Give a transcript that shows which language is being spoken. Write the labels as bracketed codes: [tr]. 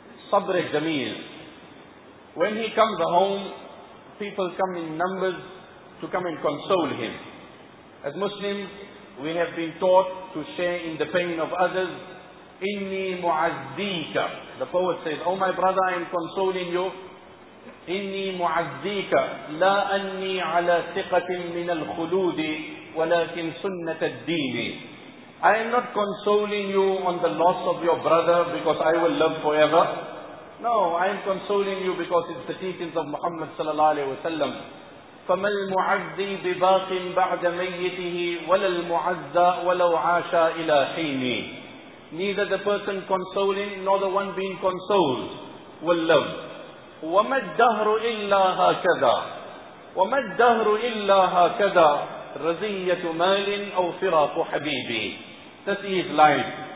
[en] Sabr Jameel. When he comes home, people come in numbers to come and console him. As Muslims, we have been taught to share in the pain of others. [ar] Inni mu'azzika. [en] The poet says, oh my brother, I am consoling you. [ar] إني معزيك لا أني على ثقة من الخلود ولكن سنة الدين. [en] I am not consoling you on the loss of your brother because I will live forever. No, I am consoling you because it's the teachings of Muhammad صلى الله عليه وسلم. [ar] فما المعزي بباق بعد ميته ولا المعزى ولو عاش إلى حين. [en] Neither the person consoling nor the one being consoled will live. [ar] وَمَا الدَّهْرُ إِلَّا هَكَذَا وَمَا الدَّهْرُ إِلَّا هَكَذَا رَزِيَّةُ مَالٍ أَوْ فِرَاقُ حَبِيبِ. [en] This is life.